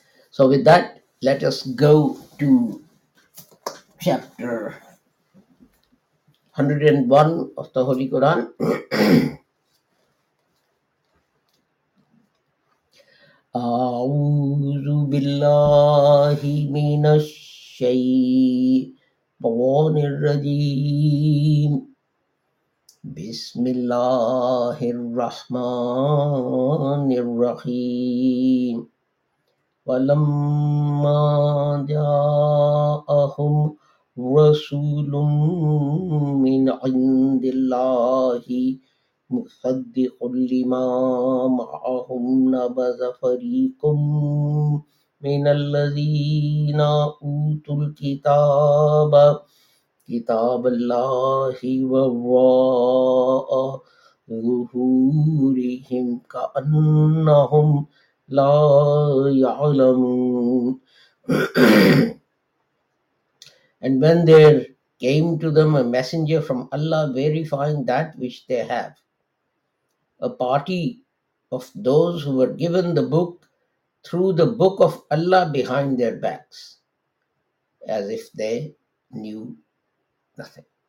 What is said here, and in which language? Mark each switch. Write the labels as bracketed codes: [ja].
[en] So with that, let us go to chapter 101 of the Holy Quran. [ar] أعوذ بالله من الشيطان الرجيم بسم الله الرحمن الرحيم ولما جاءهم رسول من عند الله مصدق لما معهم نبذ فريق من الذين أوتوا الكتاب كتاب الله وراء ظهورهم كأنهم لا يعلمون. [en] And when there came to them a messenger from Allah verifying that which they have, a party of those who were given the book threw the book of Allah behind their backs as if they knew nothing.